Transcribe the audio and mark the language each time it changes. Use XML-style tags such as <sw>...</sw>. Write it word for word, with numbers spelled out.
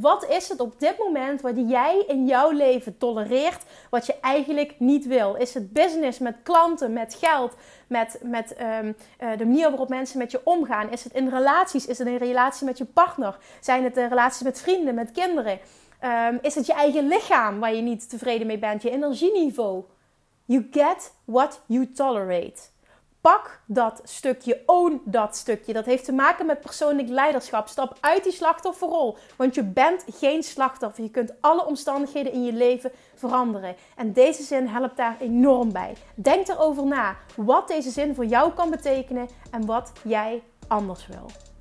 <nl>Wat is het op dit moment wat jij in jouw leven tolereert, wat je eigenlijk niet wil? Is het business met klanten, met geld, met, met um, uh, de manier waarop mensen met je omgaan? Is het in relaties? Is het in relatie met je partner? Zijn het de relaties met vrienden, met kinderen? Um, is het je eigen lichaam waar je niet tevreden mee bent? Je energieniveau.</nl> <en>You get what you tolerate.</en> <nl>Pak dat stukje, own dat stukje. Dat heeft te maken met persoonlijk leiderschap. Stap uit die slachtofferrol. Want je bent geen slachtoffer. Je kunt alle omstandigheden in je leven veranderen. En deze zin helpt daar enorm bij. Denk erover na. Wat deze zin voor jou kan betekenen en wat jij anders wil.</nl>